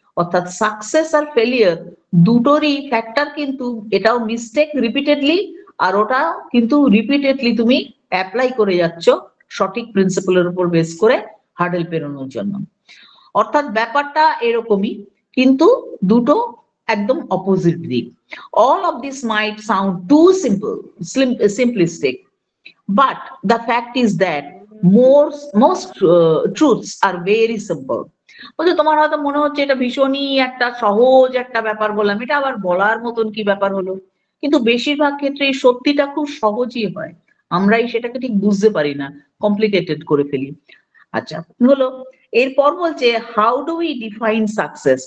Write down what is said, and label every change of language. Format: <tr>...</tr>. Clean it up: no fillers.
<bn>অর্থাৎ সাকসেস আর ফেলিয়ার দুটোরই ফ্যাক্টর কিন্তু, এটাও মিস্টেক রিপিটেডলি আর ওটাও কিন্তু রিপিটেডলি তুমি অ্যাপ্লাই করে যাচ্ছ সঠিক প্রিন্সিপলের উপর বেস করে হার্ডেল পেরোনোর জন্য. অর্থাৎ ব্যাপারটা এরকমই, কিন্তু দুটো একদম অপোজিট দিক.</bn> <en>All of this might sound too simple simplistic, but the fact is that most truths are very simple.</en> <bn>বলছে তোমার হয়তো মনে হচ্ছে এটা ভীষণই একটা সহজ একটা ব্যাপার বললাম, এটা আবার বলার মতন কি ব্যাপার হলো? কিন্তু বেশিরভাগ ক্ষেত্রে এই সত্যিটা খুব সহজই হয়, আমরাই সেটাকে ঠিক বুঝতে পারি না, কমপ্লিকেটেড করে ফেলি। আচ্ছা হলো, এরপর বলছে</bn> <en>How do we define success.</en>